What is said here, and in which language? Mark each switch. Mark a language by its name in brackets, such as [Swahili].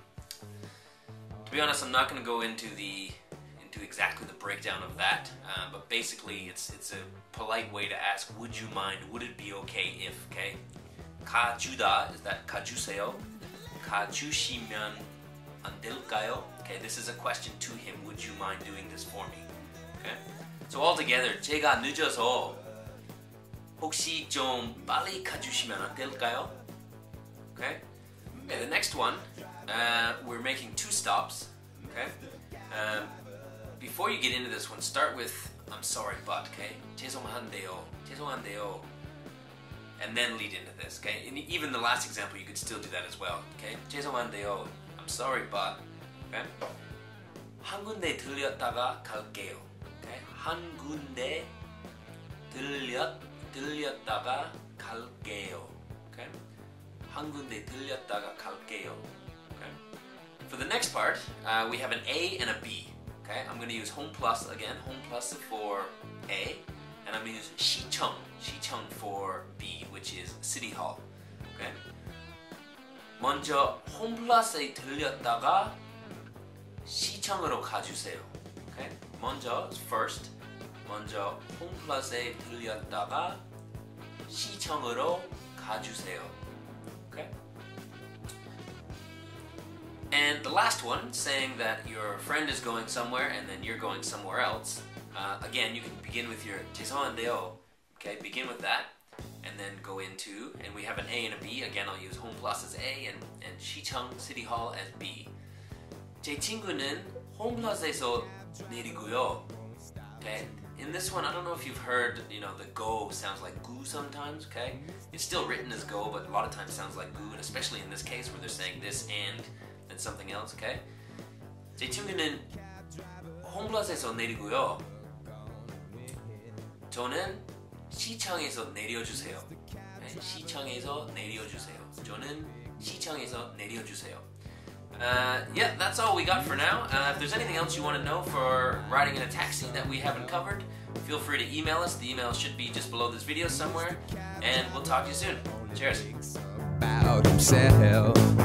[English] To be honest, I'm not going to go into exactly the breakdown of that, but basically it's a polite way to ask, would you mind, would it be okay if, okay? [Korean] 가주다, [English] is that [Korean] 가주세요? 가주시면 안 될까요? [English] Okay, this is a question to him, would you mind doing this for me? Okay, so altogether, [Korean] 제가 늦어서 혹시 좀 빨리 가주시면 안 될까요? [English] Okay? Okay, the next one, we're making two stops, okay? Before you get into this one, start with, I'm sorry, but, okay? [Korean] 죄송한데요, 죄송한데요. [English] And then lead into this, okay? And even the last example, you could still do that as well, okay? [Korean] 죄송한데요, [English] I'm sorry, but, okay? [Korean] 한 군데 들렸다가 갈게요, okay? 한 군데 들렸다가 갈게요, okay? 한 군데 들렸다가 갈게요. [English] Okay. For the next part, we have an A and a B. Okay. I'm going to use home plus again. Home plus for A, and I'm going to use 시청. 시청 for B, which is city hall. Okay. [Korean] 먼저 home plus에 들렸다가 시청으로 가주세요. [English] Okay. 먼저 first. [Korean] 먼저 home plus에 들렸다가 시청으로 가주세요. [English] And the last one, saying that your friend is going somewhere and then you're going somewhere else. Again, you can begin with your [Korean] 죄송한데요. [English] Okay, begin with that. And then go into, and we have an A and a B. Again, I'll use home plus as A and 시청 city hall as B. [Korean] 제 친구는 home plus에서 내리고요. [English] Okay, in this one, I don't know if you've heard, you know, the go sounds like goo sometimes, okay? It's still written as go, but a lot of times it sounds like goo, and especially in this case where they're saying this and and something else, okay? [Korean] 제 친구는 홈플러스에서 내리고요. 저는 시청에서 내려주세요. 시청에서 내려주세요. 저는 시청에서 내려주세요. [English] Yeah, that's all we got for now. If there's anything else you want to know for riding in a taxi that we haven't covered, feel free to email us. The email should be just below this video somewhere. And we'll talk to you soon. Cheers. About himself.